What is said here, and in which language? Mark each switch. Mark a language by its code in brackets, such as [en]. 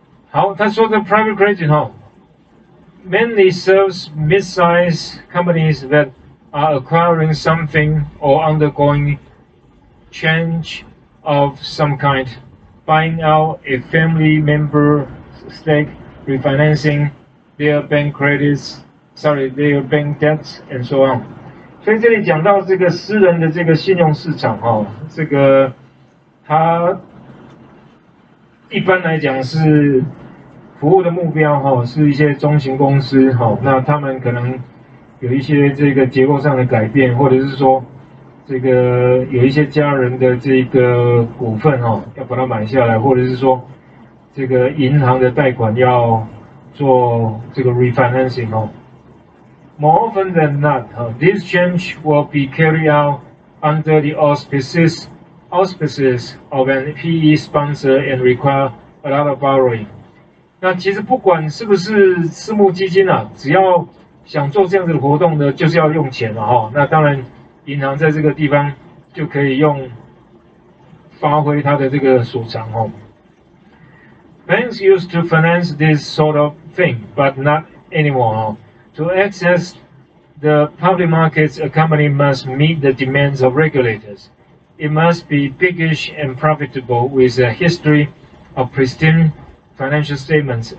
[zh] 好，他说的 [en] private credit 哈，mainly serves mid-size companies that are acquiring something or undergoing change of some kind, buying out a family member stake, refinancing their bank credits, sorry, their bank debts, and so on. [zh] 所以这里讲到这个私人的这个信用市场哦，这个它一般来讲是服务的目标哈，是一些中型公司哈，那他们可能有一些这个结构上的改变，或者是说。这个有一些家人的这个股份哦，要把它买下来，或者是说这个银行的贷款要做这个 refinancing 哦。 [en] More often than not, this change will be carried out under the auspices of an PE sponsor and require a lot of borrowing。 [zh] 那其实不管是不是私募基金啊，只要想做这样子的活动呢，就是要用钱嘛，哦，那当然。银行在这个地方就可以用发挥它的这个所长哦。 [en] Banks used to finance this sort of thing, but not anymore. To access the public markets, a company must meet the demands of regulators. It must be biggish and profitable with a history of pristine financial statements.